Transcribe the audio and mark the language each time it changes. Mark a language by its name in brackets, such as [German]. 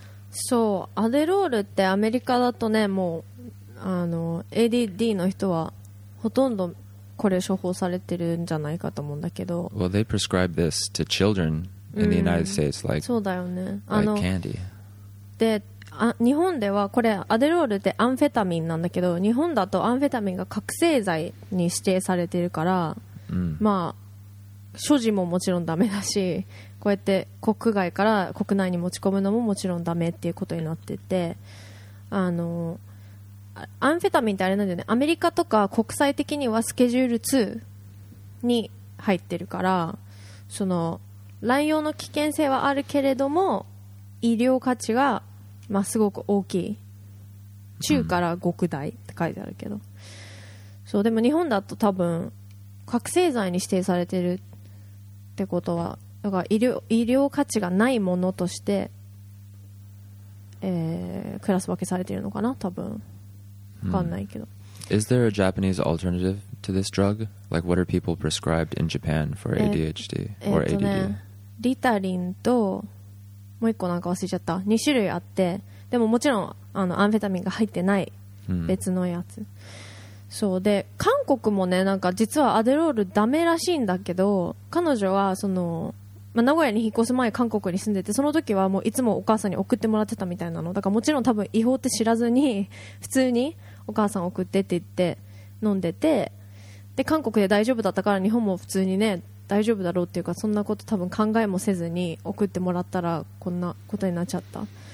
[Japanese] そう、アデロールってアメリカだとね、もうあの ADD の人はほとんどこれ処方されてるんじゃないかと思うんだけど。 [English] Well, they prescribe this to children in the United States, like, [Japanese] そうだよね。 [English] あの、like candy. [Japanese] で、あ、日本ではこれアデロールってアンフェタミンなんだけど、日本だとアンフェタミンが覚醒剤に指定されてるから、まあ所持ももちろんダメだし、こうやって国外から国内に持ち込むのももちろんダメっていうことになってて、あのアンフェタミンってあれなんだよね、アメリカとか国際的にはスケジュール2に入ってるから、その乱用の危険性はあるけれども医療価値がまあすごく大きい、中から極大って書いてあるけど、そうでも日本だと多分覚醒剤に指定されてるってことは、だから医療価値がないものとして、クラス分けされているのかな、多分分かんないけど。 [English] Is there a Japanese alternative to this drug? Like what are people prescribed in Japan for ADHD or ADD? [Japanese] リタリンともう一個なんか忘れちゃった、2種類あって、でももちろんあのアンフェタミンが入ってない別のやつ。そうで韓国もね、なんか実はアデロールダメらしいんだけど、彼女はその、まあ、名古屋に引っ越す前韓国に住んでて、その時はもういつもお母さんに送ってもらってたみたいなの、だからもちろん多分違法って知らずに普通にお母さん送ってって言って飲んでて、で韓国で大丈夫だったから日本も普通にね大丈夫だろうっていうか、そんなこと多分考えもせずに送ってもらったらこんなことになっちゃった。